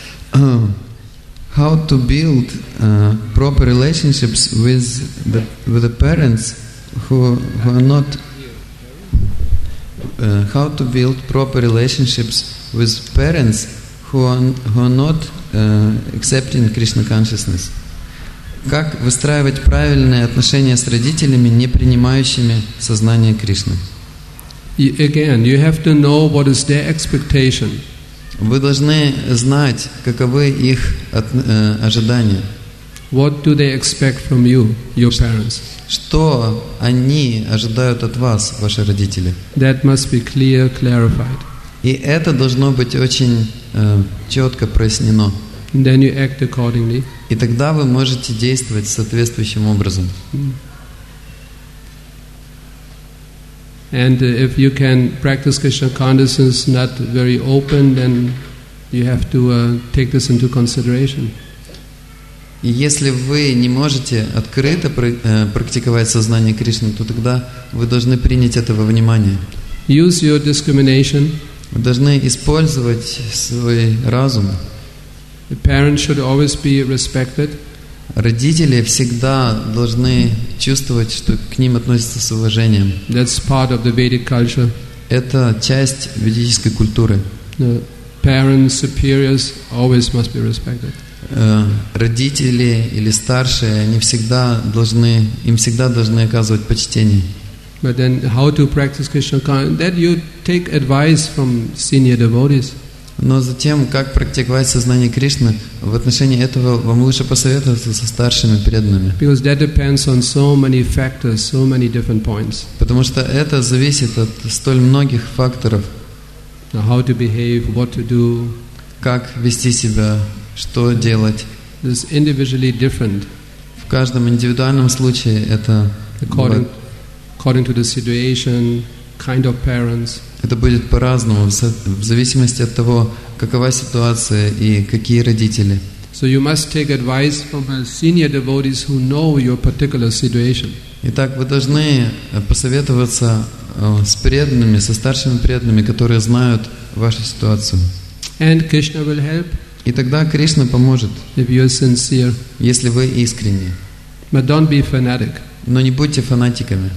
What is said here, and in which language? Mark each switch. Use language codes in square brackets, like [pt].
[en] how to build proper relationships with the parents who are not... how to build proper relationships with parents who are not accepting Krishna consciousness. [ru] Как выстраивать правильные отношения с родителями, не принимающими сознание Кришны? [en] Again, you have to know what is their expectation. [ru] Вы должны знать, каковы их ожидания. [en] What do they expect from you, your parents? [ru] Что они ожидают от вас, ваши родители? [en] That must be clear, clarified. [ru] И это должно быть очень четко прояснено. [en] Then you act accordingly. [ru] И тогда вы можете действовать соответствующим образом. [en] And if you can practice Krishna consciousness not very open, then you have to take this into consideration. [ru] И если вы не можете открыто практиковать сознание Кришны, то тогда вы должны принять это во внимание. [en] Use your discrimination. [ru] Вы должны использовать свой разум. [en] The parents should always be respected. [ru] Родители всегда должны чувствовать, что к ним относятся с уважением. [en] That's part of the Vedic culture. [ru] Это часть ведической культуры. [en] The parents, superiors always must be respected. [ru] Родители или старшие, они всегда должны, им всегда должны оказывать почтение. [en] But then how to practice Krishna consciousness? That you take advice from senior devotees. [ru] Но затем, как практиковать сознание Кришны, в отношении этого вам лучше посоветоваться со старшими преданными. [en] Because that depends on so many factors, so many different points. [ru] Потому что это зависит от столь многих факторов. [en] How to behave, what to do. [ru] Как вести себя, что делать. [en] Is individually different. [ru] В каждом индивидуальном случае это [en] according to the situation, kind of parents. [ru] Это будет по-разному, в зависимости от того, какова ситуация и какие родители. [en] So you must take advice from senior devotees who know your particular situation. [ru] Итак, вы должны посоветоваться с преданными, со старшими преданными, которые знают вашу ситуацию. [en] And Krishna will help. [ru] И тогда Кришна поможет, [en] if you are sincere. [ru] Если вы искренни. [en] But don't be fanatic. [ru] Но не будьте фанатиками.